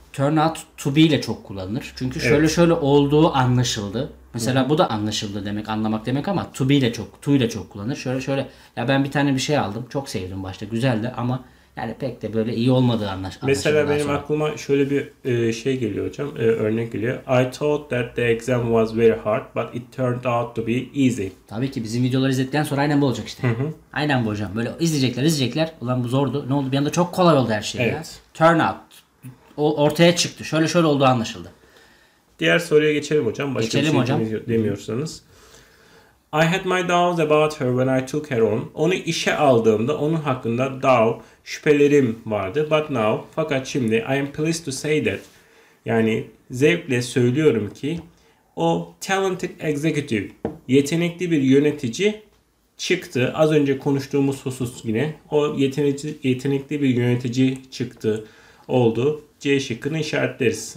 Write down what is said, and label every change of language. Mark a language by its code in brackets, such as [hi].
[en] Turn out to be [tr] ile çok kullanılır. Çünkü şöyle evet. şöyle olduğu anlaşıldı. Mesela bu da anlaşıldı demek, anlamak demek ama to be ile çok, to ile çok kullanılır. Şöyle şöyle ya ben bir tane bir şey aldım. Çok sevdim başta. Güzeldi ama yani pek de böyle iyi olmadığı anlaşıldı. Mesela benim sonra. Aklıma şöyle bir şey geliyor hocam. Örnek geliyor. [en] I thought that the exam was very hard but it turned out to be easy. [tr] Tabii ki bizim videoları izledikten sonra aynen bu olacak işte. Aynen bu hocam. Böyle izleyecekler. Ulan bu zordu. Ne oldu? Bir anda çok kolay oldu her şey. Evet. Ya. Turn out. O ortaya çıktı. Şöyle şöyle olduğu anlaşıldı. Diğer soruya geçelim hocam. Başka geçelim bir şey hocam. Demiyorsanız. [en] I had my doubts about her when I took her on. [tr] Onu işe aldığımda onun hakkında doubt, şüphelerim vardı. [en] But now, [tr] fakat şimdi [en] I am pleased to say that. [tr] Yani zevkle söylüyorum ki o [en] talented executive, [tr] yetenekli bir yönetici çıktı. Az önce konuştuğumuz husus yine. O yetenekli bir yönetici çıktı. Oldu. C şıkkını işaretleriz.